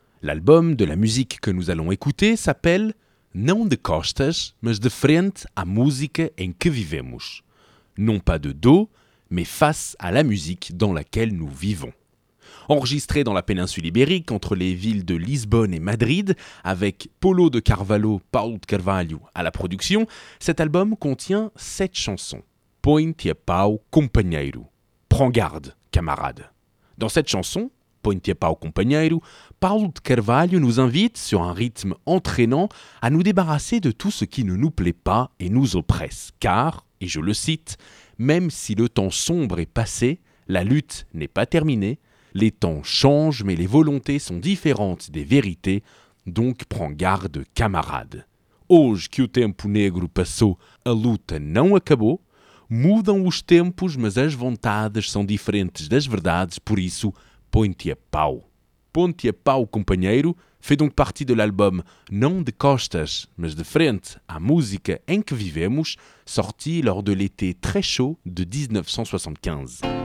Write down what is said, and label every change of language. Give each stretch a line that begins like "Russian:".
French: L'album de la musique que nous allons écouter s'appelle Não de costas, mas de frente à música em que vivemos. Non pas de dos, mais face à la musique dans laquelle nous vivons. Enregistré dans la péninsule ibérique entre les villes de Lisbonne et Madrid, avec Paulo de Carvalho, Paulo de Carvalho à la production, cet album contient 7 chansons.
Portuguese: Pointe pau, companheiro.
French: Prends garde, camarade. Dans cette chanson, Pointe pau, companheiro, Paulo de Carvalho nous invite, sur un rythme entraînant, à nous débarrasser de tout ce qui ne nous plaît pas et nous oppresse. Car, et je le cite, « Même si le temps sombre est passé, la lutte n'est pas terminée. Les temps changent, mais les volontés sont différentes des vérités. Donc prends garde, camarade.
Portuguese: Hoje que o tempo negro passou, a luta não acabou. Mudam os tempos, mas as vontades são diferentes das verdades. Por isso, ponte a pau.
French: Ponte a pau, companheiro, fait donc partie de l'album « Non de costas, mas de frente à música em que vivemos » sorti lors de l'été très chaud de 1975.